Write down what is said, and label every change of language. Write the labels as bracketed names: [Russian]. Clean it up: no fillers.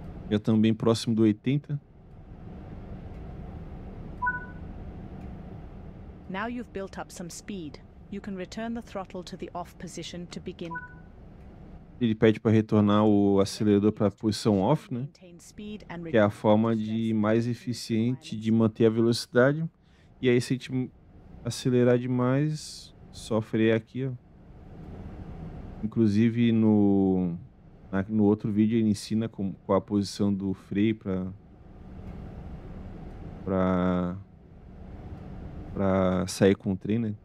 [Portuguese] Já estamos bem próximo do 80. [English] Now you've built up some speed. You can return the throttle to the off position to begin. [Portuguese] Ele pede para retornar o acelerador para a posição off, né? Que é a forma de mais eficiente de manter a velocidade. E aí se a gente acelerar demais, sofre aqui, ó. Inclusive no outro vídeo ele ensina com a posição do freio para sair com o trem, né?